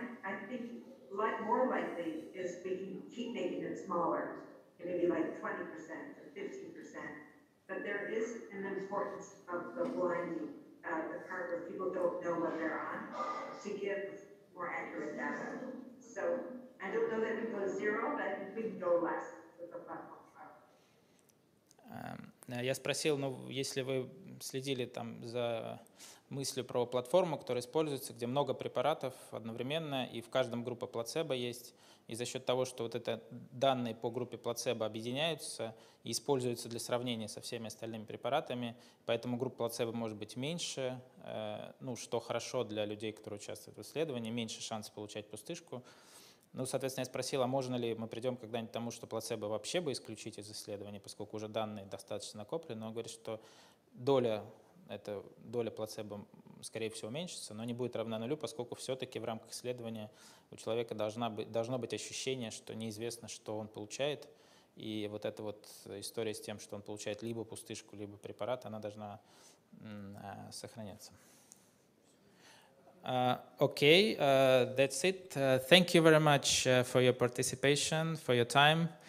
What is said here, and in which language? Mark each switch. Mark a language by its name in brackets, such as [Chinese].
[English] I think more likely is we can keep making it smaller, maybe like 20% or 15%. But there is an importance of the blinding, the part where people don't know what they're on, to give more accurate data. So I don't know that we go to zero, but we can go less with the platform trial. [Russian] Я спросил, ну, если вы следили там за мыслью про платформу, которая используется, где много препаратов одновременно, и в каждом группе плацебо есть, и за счет того, что вот это данные по группе плацебо объединяются и используются для сравнения со всеми остальными препаратами, поэтому группа плацебо может быть меньше, ну, что хорошо для людей, которые участвуют в исследовании, меньше шансов получать пустышку. Ну, соответственно, я спросил, а можно ли мы придем когда-нибудь к тому, что плацебо вообще бы исключить из исследования, поскольку уже данные достаточно накоплены. Но он говорит, что доля плацебо, скорее всего, уменьшится, но не будет равна нулю, поскольку все-таки в рамках исследования у человека должно быть ощущение, что неизвестно, что он получает. И вот эта вот история с тем, что он получает либо пустышку, либо препарат, она должна сохраняться. [English] Okay, that's it. Thank you very much for your participation, for your time.